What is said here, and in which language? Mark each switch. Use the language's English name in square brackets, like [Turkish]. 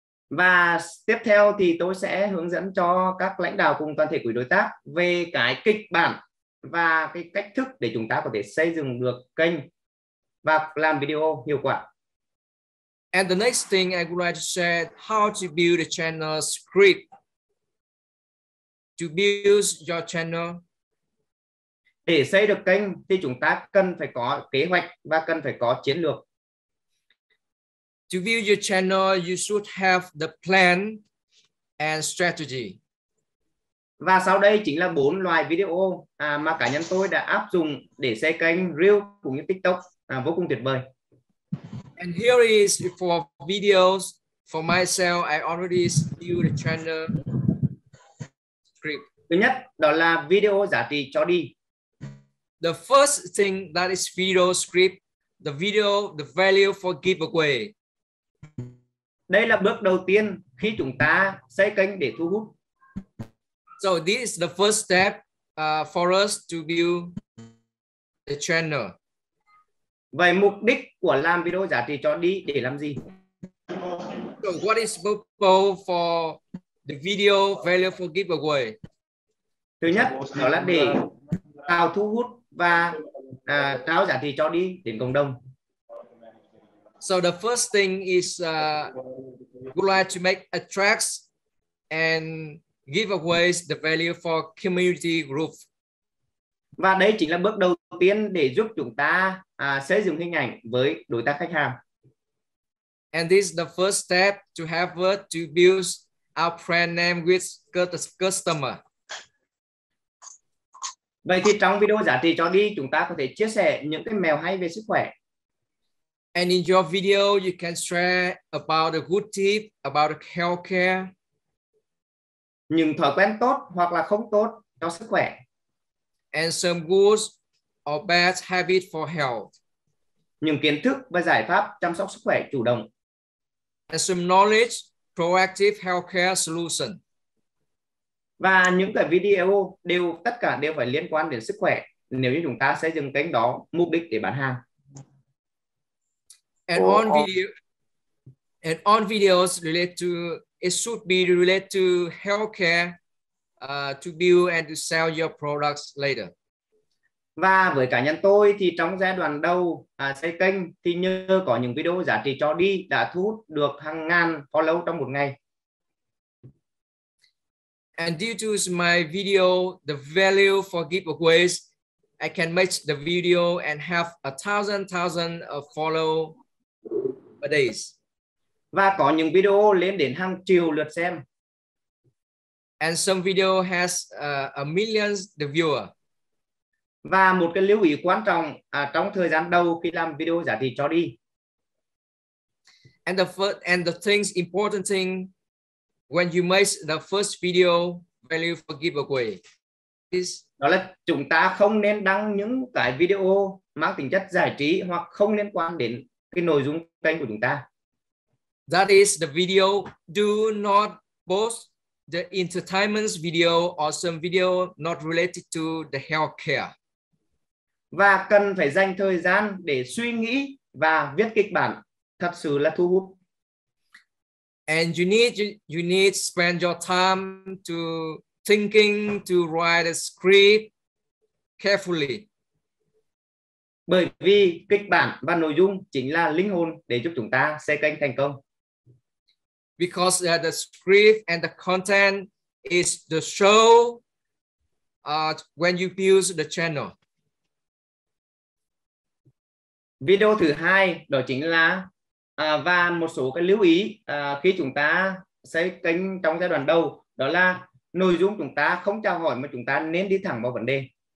[Vietnamese] Và tiếp theo thì tôi sẽ hướng dẫn cho các lãnh đạo cùng toàn thể quỹ đối tác về cái kịch bản và cái cách thức để chúng ta có thể xây dựng được kênh và làm video hiệu quả. [English] And the next thing I would like to share how to build a channel script. To build your channel. [Vietnamese] Để xây được kênh thì chúng ta cần phải có kế hoạch và cần phải có chiến lược. [English] To build your channel, you should have the plan and strategy. [Vietnamese] Và sau đây chính là bốn loại video mà cá nhân tôi đã áp dụng để xây kênh Reel cũng như TikTok vô cùng tuyệt vời. [English] And here is for videos for myself. I already built a channel script. [Vietnamese] Thứ nhất đó là video giá trị cho đi. [English] The first thing that is video script, the video, the value for giveaway. [Vietnamese] Đây là bước đầu tiên khi chúng ta xây kênh để thu hút. [English] So this is the first step for us to build the channel. [Vietnamese] Vậy mục đích của làm video giá trị cho đi để làm gì? [English] So what is purpose for the video value for giveaway? [Vietnamese] Thứ nhất đó là để tạo thu hút và trao giá trị cho đi đến cộng đồng. [English] So the first thing is we like to make attracts and give away the value for community group. [Vietnamese] Và đây chính là bước đầu tiên để giúp chúng ta xây dựng hình ảnh với đối tác khách hàng. [English] And this is the first step to have to build our brand name with customer. [Vietnamese] Vậy thì trong video giá trị cho đi, chúng ta có thể chia sẻ những cái mèo hay về sức khỏe. [English] And in your video, you can share about a good tip about healthcare. [Vietnamese] Những thói quen tốt hoặc là không tốt cho sức khỏe. [English] And some good or bad habits for health. [Vietnamese] Những kiến thức và giải pháp chăm sóc sức khỏe chủ động. [English] And some knowledge, proactive healthcare solution. [Vietnamese] Và những cái video đều, tất cả đều phải liên quan đến sức khỏe nếu như chúng ta xây dựng kênh đó mục đích để bán hàng. [English] And on video, and on videos related to, it should be related to healthcare to build and to sell your products later. [Vietnamese] Và với cá nhân tôi thì trong giai đoạn đầu xây kênh thì nhờ có những video giá trị cho đi đã thu hút được hàng ngàn follow trong một ngày. [English] And due to my video, the value for giveaways, I can make the video and have a thousand of follow a days. [Vietnamese] Và có những video lên đến hàng triệu lượt xem. [English] And some video has a million the viewer. [Vietnamese] Và một cái lưu ý quan trọng trong thời gian đầu khi làm video giá trị cho đi. [English] And the first, and the things important thing when you make the first video value for giveaway is, [Vietnamese] đó là chúng ta không nên đăng những cái video mang tính chất giải trí hoặc không liên quan đến cái nội dung kênh của chúng ta. [English] That is the video, do not post the entertainment video or some video not related to the healthcare. [Vietnamese] Và cần phải dành thời gian để suy nghĩ và viết kịch bản thật sự là thu hút. [English] And you need spend your time to thinking to write a script carefully. [Vietnamese] Bởi vì kịch bản và nội dung chính là linh hồn để giúp chúng ta xây kênh thành công. [English] Because the script and the content is the show when you build the channel. [Vietnamese] Video thứ hai đó chính là và một số cái lưu ý khi chúng ta xây kênh trong giai đoạn đầu, đó là nội dung chúng ta không chào hỏi mà chúng ta nên đi thẳng vào vấn đề.